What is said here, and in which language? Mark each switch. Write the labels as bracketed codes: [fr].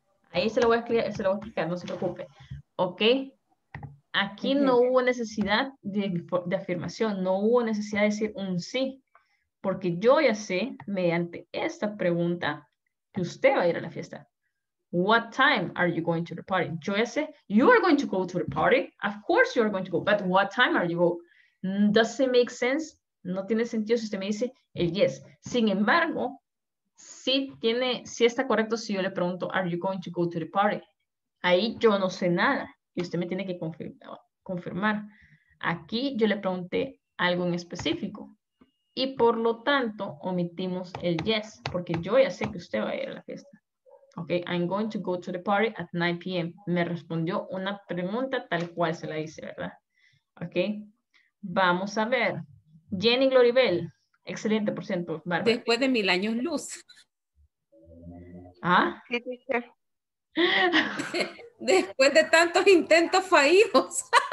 [es] ahí se lo voy a explicar, no se preocupe. Ok, aquí okay. No hubo necesidad de afirmación, no hubo necesidad de decir un sí, porque yo ya sé, mediante esta pregunta, que usted va a ir a la fiesta. [en] What time are you going to the party? [es] Yo ya sé, [en] you are going to go to the party. Of course you are going to go, but what time are you going? Does it make sense? [es] No tiene sentido si usted me dice el yes. Sin embargo, sí está correcto si yo le pregunto, [en] are you going to go to the party? [es] Ahí yo no sé nada y usted me tiene que confirmar. Aquí yo le pregunté algo en específico y por lo tanto omitimos el yes porque yo ya sé que usted va a ir a la fiesta. [en] Ok, I'm going to go to the party at 9 p.m. [es] Me respondió una pregunta tal cual se la hice, ¿verdad? Ok, vamos a ver. Jenny Gloribel, excelente, por cierto. Bárbara. Después de mil años luz. ¿Ah? Después de tantos intentos fallidos.